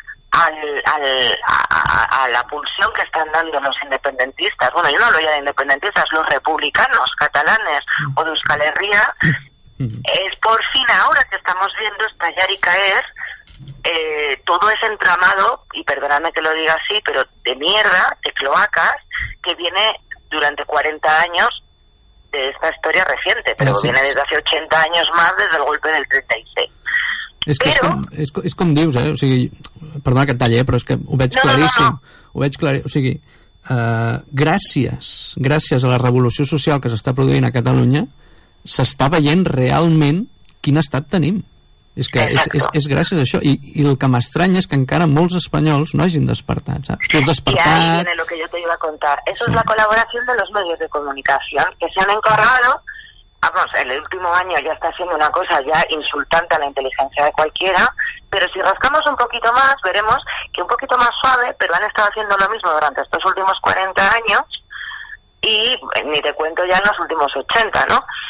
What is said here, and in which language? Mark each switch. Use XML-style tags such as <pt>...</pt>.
<es>a la pulsión que están dando los independentistas, bueno, yo no hablo ya de independentistas, los republicanos catalanes o de Euskal Herria, es por fin ahora que estamos viendo estallar y caer todo ese entramado, y perdonadme que lo diga así, pero de mierda, de cloacas, que viene durante 40 años de esta historia reciente, pero sí, viene desde hace 80 años más, desde el golpe del 36.</es> <ca>És que és com dius, eh? O sigui, perdona que et talli, però és que ho veig claríssim. Ho veig claríssim. O sigui, gràcies a la revolució social que s'està produint a Catalunya, s'està veient realment quin estat tenim. És que és gràcies a això. I el que m'estranya és que encara molts espanyols no hagin despertat, saps? Tots despertat...</ca> <es>I ahí viene lo que yo te iba a contar. Eso sí. Es la colaboración de los medios de comunicación, que se han encargado... Vamos, el último año ya está siendo una cosa ya insultante a la inteligencia de cualquiera, pero si rascamos un poquito más, veremos que un poquito más suave, pero han estado haciendo lo mismo durante estos últimos 40 años, y ni te cuento ya en los últimos 80, ¿no?</es>